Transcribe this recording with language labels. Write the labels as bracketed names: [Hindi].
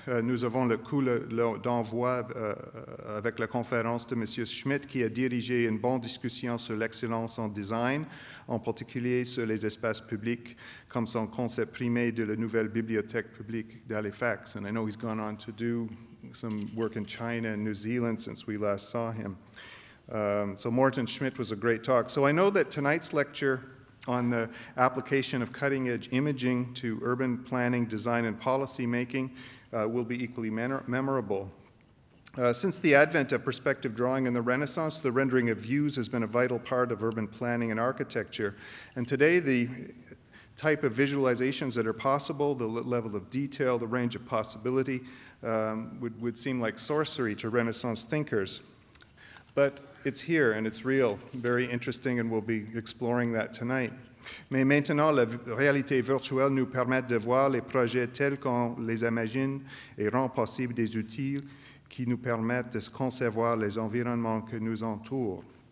[French] Nous avons le coup d'envoi avec la conférence de Monsieur Schmidt, qui a dirigé une bonne discussion sur l'excellence en design, en particulier sur les espaces publics, comme son concept primé de la nouvelle bibliothèque publique d'Halifax. [English] And I know he's gone on to do some work in China and New Zealand since we last saw him. So Morton Schmidt was a great talk. So I know that tonight's lecture on the application of cutting-edge imaging to urban planning, design, and policy making will be equally memorable. Since the advent of perspective drawing in the Renaissance, the rendering of views has been a vital part of urban planning and architecture. And today, the type of visualizations that are possible, the level of detail, the range of possibility, would seem like sorcery to Renaissance thinkers. But it's here, and it's real, very interesting, and we'll be exploring that tonight. [French] Mais maintenant, la réalité virtuelle nous permet de voir les projets tels qu'on les imagine et rend possible des outils qui nous permettent de concevoir les environnements que nous entourent.